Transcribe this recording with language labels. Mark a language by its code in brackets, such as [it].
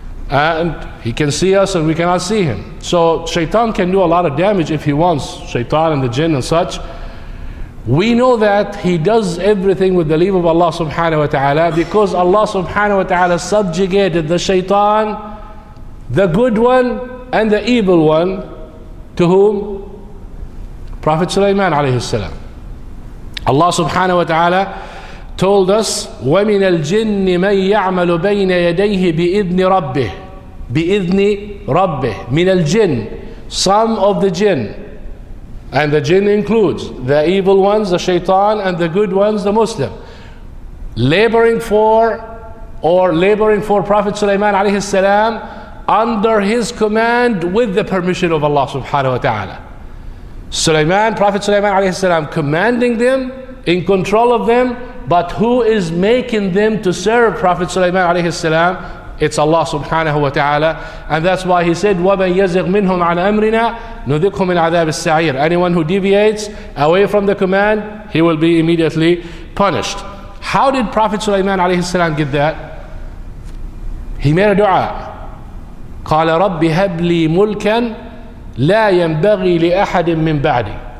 [en] And he can see us and we cannot see him. So shaitan can do a lot of damage if he wants, shaitan and the jinn and such. We know that he does everything with the leave of Allah subhanahu wa ta'ala, because Allah subhanahu wa ta'ala subjugated the shaitan, the good one and the evil one, to whom? Prophet Sulaiman alayhi salam. Allah subhanahu wa ta'ala told us, [ar] وَمِنَ الْجِنِّ مَنْ يَعْمَلُ بَيْنَ يَدَيْهِ بِإِذْنِ رَبِّهِ بِإِذْنِ رَبِّهِ مِنَ الْجِنِّ. [en] Some of the jinn, and the jinn includes the evil ones, the shaitan, and the good ones, the Muslim, laboring for Prophet Sulaiman alayhi salam under his command with the permission of Allah subhanahu wa ta'ala. Sulaiman, Prophet Sulaiman alayhi salam, commanding them, in control of them, but who is making them to serve Prophet Sulaiman alayhi salam? It's Allah subhanahu wa ta'ala. And that's why he said, [ar] وَمَنْ يَزِغْ مِنْهُمْ عَنْ أَمْرِنَا نُذِقْهُ مِنْ عَذَابِ السَّعِيرِ. [en] Anyone who deviates away from the command, he will be immediately punished. How did Prophet Sulaiman alayhi salam get that? He made a dua. [ar] قَالَ رَبِّ هَبْ لِي مُلْكًا لَا يَنْبَغِي لِأَحَدٍ مِّن بَعْدِي.